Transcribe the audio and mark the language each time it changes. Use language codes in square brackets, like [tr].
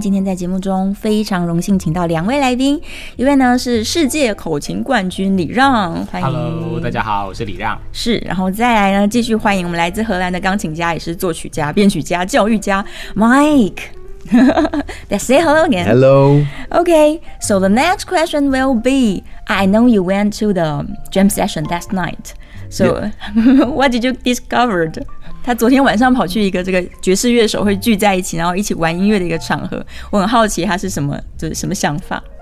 [zh] 今天在节目中非常荣幸请到两位来宾，一位呢是世界口琴冠军李让，欢迎。 [en] Hello， [zh] 大家好，我是李让。是，然后再来呢，继续欢迎我们来自荷兰的钢琴家，也是作曲家、编曲家、教育家 Mike。 [en] Say hello again. Hello. Okay, so the next question will be, I know you went to the jam session last night. So, yeah. What did you discover? [zh] 他昨天晚上跑去一个这个爵士乐手会聚在一起，然后一起玩音乐的一个场合。我很好奇他是什么，就是什么想法。